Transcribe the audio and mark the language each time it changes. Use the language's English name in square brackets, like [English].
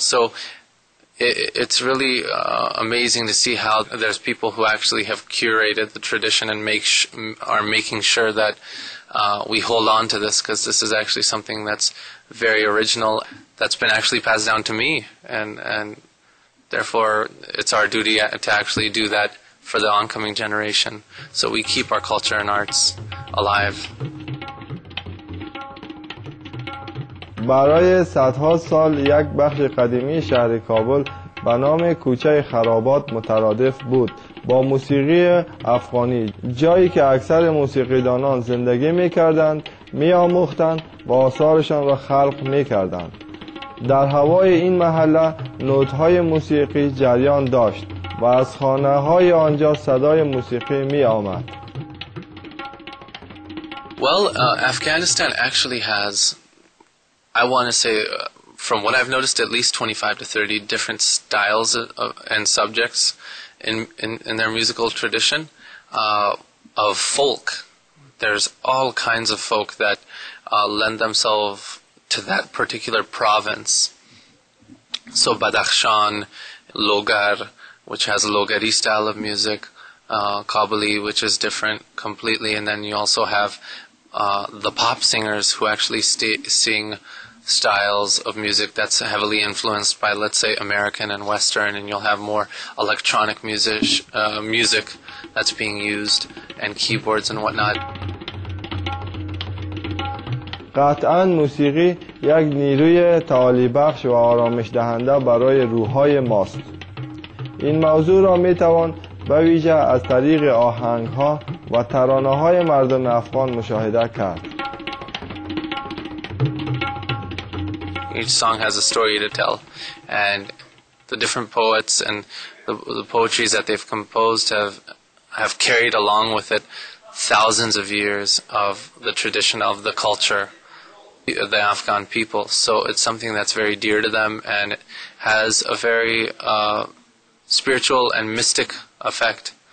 [English] So it's really amazing to see how there's people who actually have curated the tradition and are making sure that we hold on to this, because this is actually something that's very original, that's been actually passed down to me, and therefore it's our duty to actually do that for the oncoming generation, so we keep our culture and arts alive. [Persian] برای صدها سال یک بخش قدیمی شهر کابل به نام کوچه خرابات مترادف بود با موسیقی افغانی، جایی که اکثر موسیقیدانان زندگی میکردند، میاموختند و آثارشان را خلق میکردند. در هوای این محله نوت‌های موسیقی جریان داشت و از خانه های آنجا صدای موسیقی میآمد. [English] Well, Afghanistan actually has, I want to say, from what I've noticed, at least 25 to 30 different styles and subjects in their musical tradition of folk. There's all kinds of folk that lend themselves to that particular province. So Badakhshan, Logar, which has a Logari style of music, Kabuli, which is different completely, and then you also have the pop singers who actually sing styles of music that's heavily influenced by, let's say, American and Western, and you'll have more electronic music that's being used, and keyboards and whatnot. [Persian] قطعاً موسیقی یک نیروی تعالی بخش و آرامش دهنده برای روح‌های ماست. این موضوع را می توان به ویژه از طریق آهنگ‌ها و ترانه‌های مردم افغان مشاهده کرد. [English] Each song has a story to tell, and the different poets and the poetries that they've composed have carried along with it thousands of years of the tradition of the culture. The Afghan people, so it's something that's very dear to them and has a very spiritual and mystic effect.